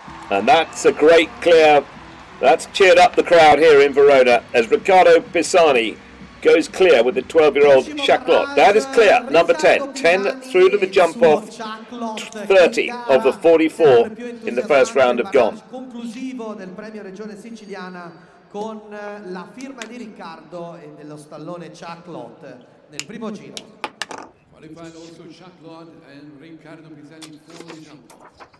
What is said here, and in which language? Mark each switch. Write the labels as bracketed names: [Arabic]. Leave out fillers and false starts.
[English] And that's a great clear. That's cheered up the crowd here in Verona as Riccardo Pisani goes clear with the 12-year-old Chaclot. That is clear, number 10. 10 through to the jump off 30 of the 44 in the first round of GOM. [Italian] Conclusivo del premio Regione Siciliana con la firma di Riccardo e dello stallone Chaclot nel primo giro. [English] Qualified also Chaclot and Riccardo Pisani from the jump off.